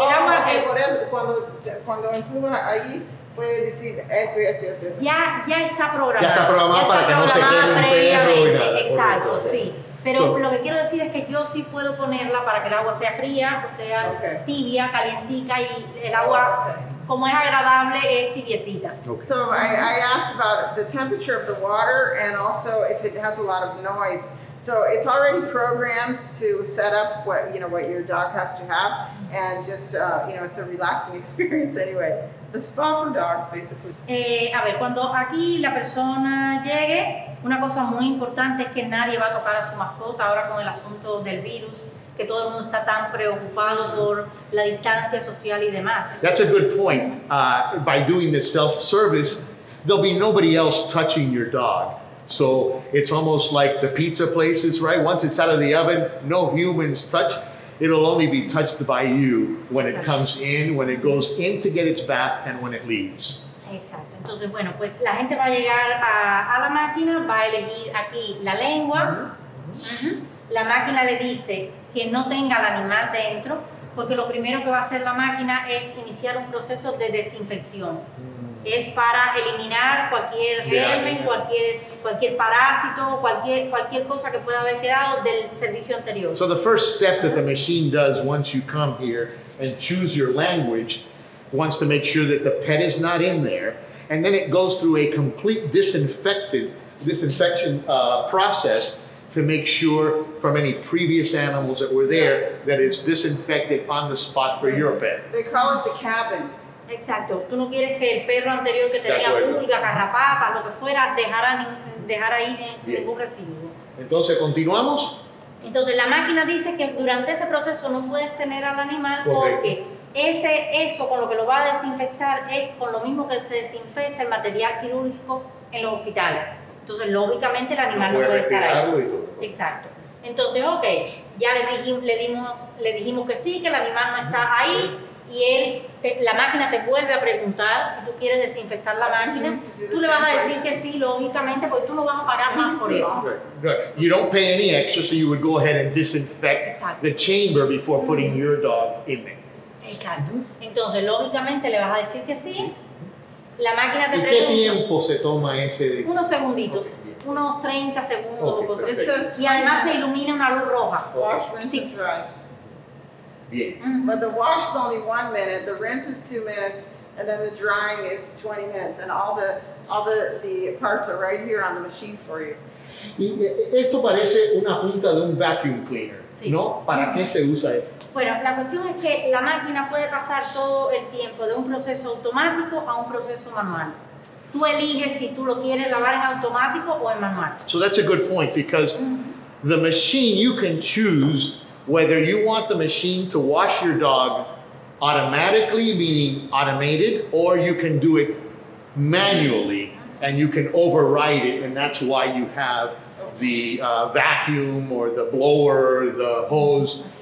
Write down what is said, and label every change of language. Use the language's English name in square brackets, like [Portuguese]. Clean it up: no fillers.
[Spanish] Y el agua, okay, por eso, cuando empuja ahí, puede decir esto y esto y esto. Ya está programado. Ya está programado para que no se quede un perro y nada. Exacto, sí. Pero so, lo que quiero decir es que yo sí puedo ponerla para que el agua sea fría, o sea, okay, tibia, calientica, y el agua, como es agradable, es tibiecita. Okay. [English] So I asked about the temperature of the water and also if it has a lot of noise. So it's already programmed to set up what your dog has to have, and just it's a relaxing experience anyway. The spa for dogs, basically. [Spanish] Cuando aquí la persona llegue, una cosa muy importante es que nadie va a tocar a su mascota ahora con el asunto del virus, que todo el mundo está tan preocupado por la distancia social y demás. [English] That's a good point. By doing the self-service, there'll be nobody else touching your dog. So it's almost like the pizza places, right? Once it's out of the oven, no humans touch. It'll only be touched by you when it comes in, when it goes in to get its bath, and when it leaves. [Spanish] Exacto. Entonces, bueno, pues la gente va a llegar a la máquina, va a elegir aquí la lengua. La máquina le dice que no tenga el animal dentro, porque lo primero que va a hacer la máquina es iniciar un proceso de desinfección. Es para eliminar cualquier germen, cualquier parásito, cualquier cosa que pueda haber quedado del servicio anterior. So the first step that the machine does once you come here and choose your language wants to make sure that the pet is not in there, and then it goes through a complete disinfection process to make sure from any previous animals that were there that it's disinfected on the spot for your pet. They call it the cabin. Exacto. Tú no quieres que el perro anterior que tenía pulga, garrapata, lo que fuera, dejara ahí ningún residuo. Entonces, ¿continuamos? Entonces, la máquina dice que durante ese proceso no puedes tener al animal porque eso con lo que lo va a desinfectar es con lo mismo que se desinfecta el material quirúrgico en los hospitales. Entonces, lógicamente, el animal no puede estar ahí. Y todo. Exacto. Entonces, ok, ya le dijimos que sí, que el animal no está ahí. Y la máquina te vuelve a preguntar si tú quieres desinfectar la máquina. Tú le vas a decir que sí, lógicamente, porque tú no vas a pagar más por eso. [English] Good. You don't pay any extra, so you would go ahead and disinfect the chamber before putting your dog in there. [Spanish] Exacto. Entonces, lógicamente, le vas a decir que sí. La máquina te ¿Y pregunta. ¿Y qué tiempo se toma ese? Unos segunditos. Okay. Unos 30 segundos. Okay, cosas así. Y además se ilumina una luz roja. Okay. Sí. Yeah. [English] But the wash is only 1 minute, the rinse is 2 minutes, and then the drying is 20 minutes, and all the parts are right here on the machine for you. [Spanish] Y esto parece una punta de un vacuum cleaner, sí. ¿No? ¿Para qué se usa esto? Bueno, la cuestión es que la máquina puede pasar todo el tiempo de un proceso automático a un proceso manual. Tú eliges si tú lo quieres lavar en automático o en manual. [English] So that's a good point, because the machine, you can choose whether you want the machine to wash your dog automatically, meaning automated, or you can do it manually. And you can override it, and that's why you have the vacuum or the blower, or the hose.